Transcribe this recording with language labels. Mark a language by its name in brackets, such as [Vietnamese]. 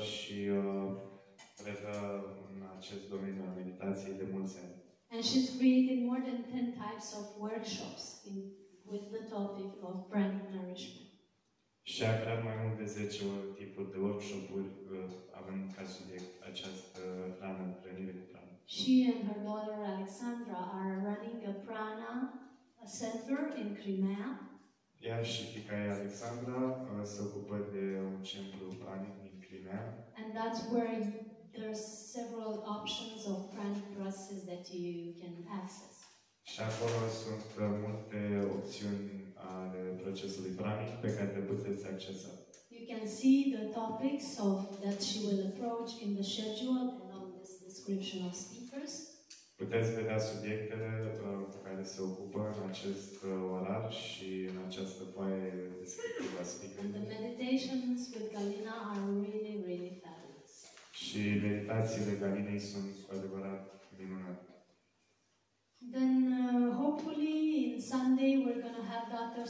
[Romanian] și predă în acest domeniu al meditației de mulți ani. [English] And she's created more than 10 types of workshops with the topic of pranic nourishment. [Romanian] Și a creat mai mult de 10 tipuri de workshop-uri având ca subiect această hrană, hrănire cu prana. [English] She and her daughter Alexandra are running a prana center in Crimea. [Romanian] Ea și fiica ei Alexandra se ocupă de un centru pranic în Crimea. [English] And that's where there are several options of pranic process that you can access. [Romanian] Și acolo sunt multe opțiuni ale procesului pranic pe care le puteți accesa. [English] You can see the topics of that she will approach in the schedule and on this description of speakers. [Romanian] Puteți vedea subiectele pe care se ocupă în acest orar și în această foaie descriptivă a speakerului. [English] The meditations with Galina are really, really fabulous. [Romanian] Și meditațiile Galinei sunt cu adevărat minunate. [English] Then hopefully in Sunday we're going to have Dr.